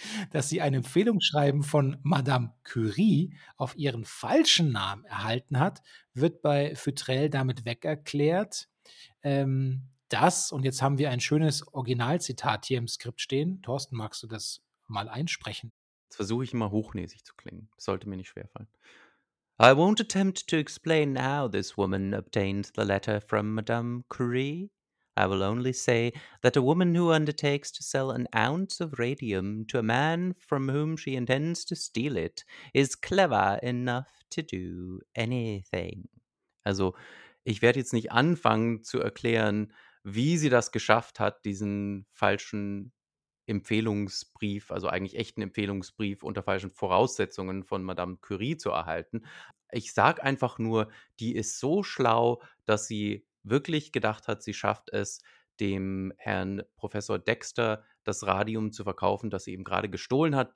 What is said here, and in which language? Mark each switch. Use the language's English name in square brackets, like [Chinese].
[German] Dass sie ein Empfehlungsschreiben von Madame Curie auf ihren falschen Namen erhalten hat, wird bei Futrelle damit wegerklärt, dass, und jetzt haben wir ein schönes Originalzitat hier im Skript stehen. Thorsten, magst du das mal einsprechen? Jetzt versuche ich mal hochnäsig zu klingen. Sollte mir nicht schwerfallen. [English] I won't attempt to explain how this woman obtained the letter from Madame Curie. I will only say that a woman who undertakes to sell an ounce of radium to a man from whom she intends to steal it is clever enough to do anything. [German] Also, ich werde jetzt nicht anfangen zu erklären, wie sie das geschafft hat, diesen falschen Empfehlungsbrief, also eigentlich echten Empfehlungsbrief unter falschen Voraussetzungen von Madame Curie zu erhalten. Ich sag einfach nur, die ist so schlau, dass sie wirklich gedacht hat, sie schafft es, dem Herrn Professor Dexter das Radium zu verkaufen, das sie ihm gerade gestohlen hat.